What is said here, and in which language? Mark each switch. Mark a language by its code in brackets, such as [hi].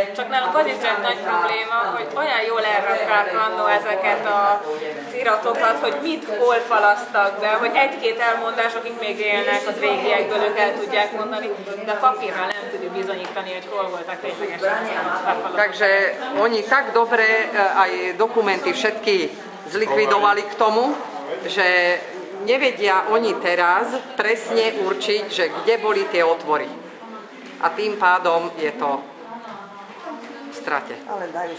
[hu] Csak nálunk az is egy nagy probléma, hogy olyan jól elrakták annó ezeket a iratokat, hogy mit hol falasztak be, hogy egy-két elmondás, akik még élnek, az régiekből ők el tudják mondani, de papírral nem tudjuk bizonyítani, hogy hol voltak ténylegesen. [sk] Takže oni tak dobre aj dokumenty všetky zlikvidovali k tomu, že nevedia oni teraz presne určiť, že kde boli tie otvory. A tým pádom je to v strate.